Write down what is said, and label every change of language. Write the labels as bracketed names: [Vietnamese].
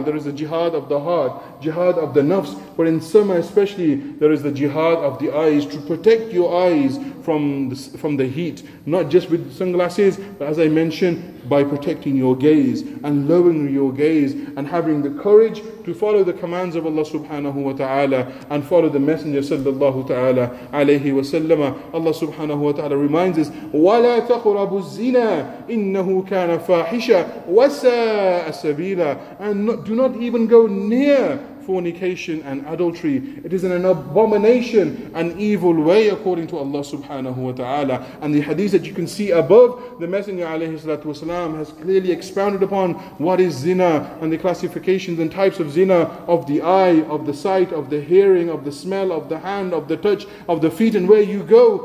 [English] There is a jihad of the heart, jihad of the nafs. But in summer especially, there is the jihad of the eyes, to protect your eyes from the heat. Not just with sunglasses, but as I mentioned, by protecting your gaze and lowering your gaze and having the courage to follow the commands of Allah subhanahu wa ta'ala and follow the Messenger sallallahu ta'ala alayhi wa sallam. Allah subhanahu wa ta'ala reminds us, [Arabic] وَلَا تَقْرَبُ الزِّنَا إِنَّهُ كَانَ فَاحِشًا وَسَاءَ سَبِيلًا. [English] And do not even go near fornication and adultery. It is an abomination, an evil way, according to Allah subhanahu wa ta'ala. And the hadith that you can see above, the Messenger alayhi salatu wasalam has clearly expounded upon what is zina and the classifications and types of zina of the eye, of the sight, of the hearing, of the smell, of the hand, of the touch, of the feet, and where you go.